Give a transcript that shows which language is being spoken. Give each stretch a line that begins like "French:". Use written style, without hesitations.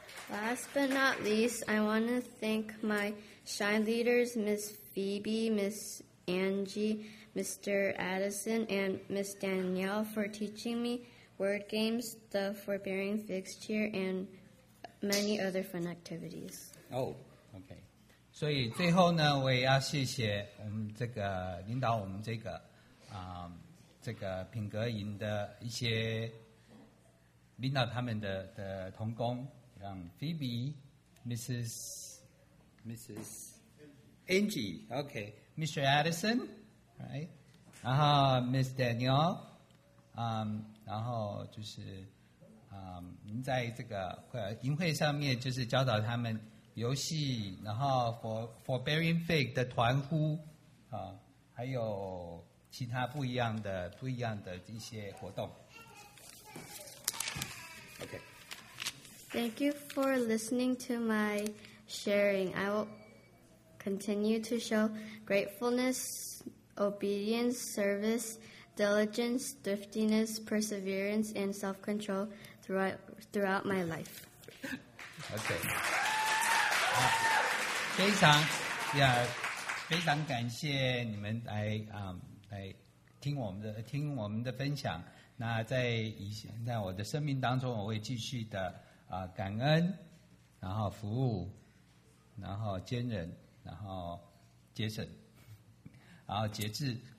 English: Last but not least, I want to thank my Shrine leaders, Miss Phoebe, Miss Angie, Mr. Addison, and Miss Danielle for teaching me. Word games, the forbearing fixture, and many other fun activities. Oh, okay.
Chinese: 所以最后呢，我也要谢谢我们这个领导我们这个这个品格营的一些领导他们的同工，像 Phoebe, Mrs.
English: Angie, okay,
Chinese: Mr. Addison,
English: right?
Chinese: 然后 Miss Daniel,然后就是，您在这个营会上面就是教导他们游戏，然后 forbearing fig 的团呼啊，还有其他不一样的一些活动。
English: Okay. Thank you for listening to my sharing. I will continue to show gratefulness, obedience, service. Diligence, thriftiness, perseverance, and self-control throughout my life. Okay.
Chinese: 非常，非常感谢你们来听我们的分享。那在我的生命当中，我会继续的感恩，然后服务，然后坚韧，然后节省，然后节制。